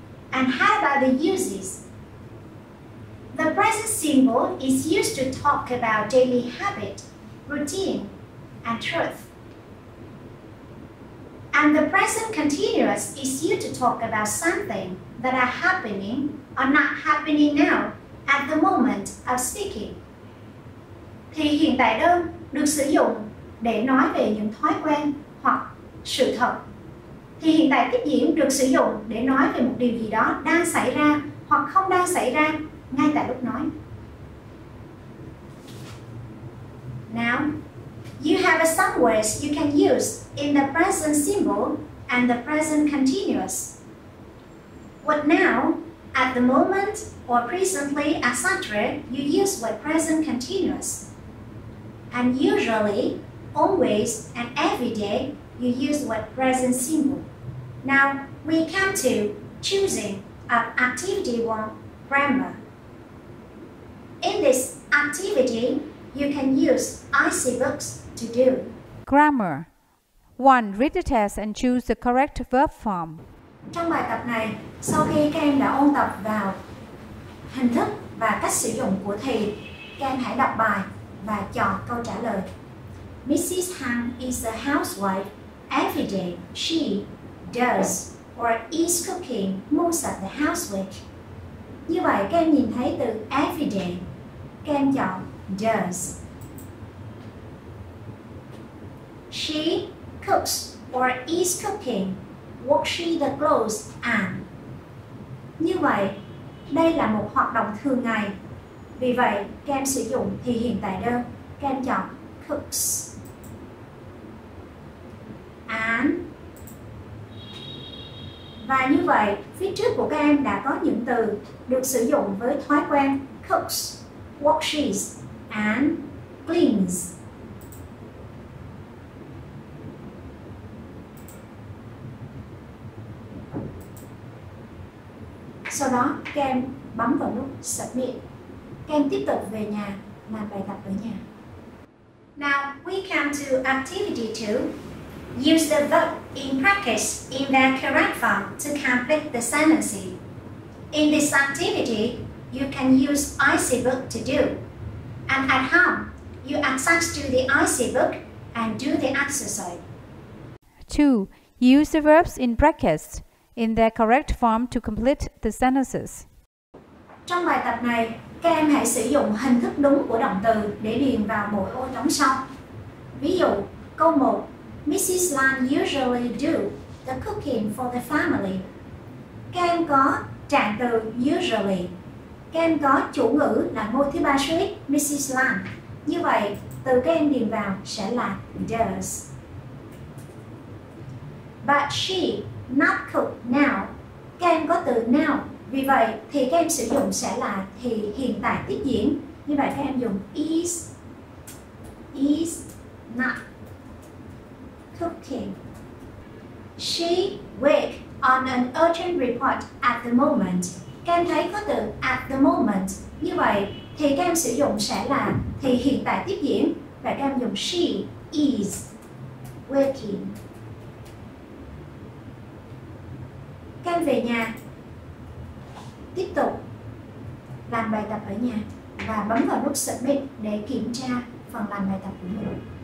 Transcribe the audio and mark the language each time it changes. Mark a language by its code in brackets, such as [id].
[en] And how about the uses? The present simple is used to talk about daily habit, routine, and truth. And the present continuous is used to talk about something that are happening or not happening now at the moment of speaking. [vi] Thì hiện tại đơn được sử dụng để nói về những thói quen hoặc sự thật. Thì hiện tại tiếp diễn được sử dụng để nói về một điều gì đó đang xảy ra hoặc không đang xảy ra ngay tại lúc nói. [en] Now, you have some words you can use in the present simple and the present continuous. What now, at the moment, or presently, etc., you use with present continuous. And usually, always, and every day, you use with present simple. Now, we come to choosing of activity one, grammar. In this activity, you can use IC books to do. Grammar. 1. Read the test and choose the correct verb form. [vi] Trong bài tập này, sau khi các em đã ôn tập vào hình thức và cách sử dụng của thì, các em hãy đọc bài và chọn câu trả lời. Mrs. [en] Han is a housewife. Every day, she does or is cooking most of the housework. [vi] Như vậy, các em nhìn thấy từ every day, các em chọn does. [en] She cooks or is cooking, washes the clothes and. [vi] Như vậy, đây là một hoạt động thường ngày. Vì vậy, các em sử dụng thì hiện tại đơn, các em chọn cooks. [en] And. [vi] Và như vậy, phía trước của các em đã có những từ được sử dụng với thói quen cooks, washes and cleans. Sau đó, các em bấm vào nút Submit. Các em tiếp tục về nhà, làm bài tập ở nhà. [en] Now, we come to activity 2. Use the verb in practice in their correct form to complete the sentence. In this activity, you can use IC book to do. And at home, you access to the IC book and do the exercise. 2. Use the verbs in practice in their correct form to complete the sentences. [vi] Trong bài tập này, các em hãy sử dụng hình thức đúng của động từ để điền vào mỗi ô trống sau. Ví dụ, câu 1, Mrs. [en] Lan usually do the cooking for the family. [vi] Các em có trạng từ usually. Các em có chủ ngữ là ngôi thứ ba suy ích, Mrs. Lan. Như vậy, từ các em điền vào sẽ là does. [en] But she not cook now. [vi] Các em có từ now. Vì vậy thì các em sử dụng sẽ là thì hiện tại tiếp diễn. Như vậy các em dùng is not cooking. [en] She wait on an urgent report at the moment. [vi] Các em thấy có từ at the moment. Như vậy thì các em sử dụng sẽ là thì hiện tại tiếp diễn. Và các em dùng she is waiting. Các em về nhà, tiếp tục làm bài tập ở nhà và bấm vào nút Submit để kiểm tra phần làm bài tập của mình.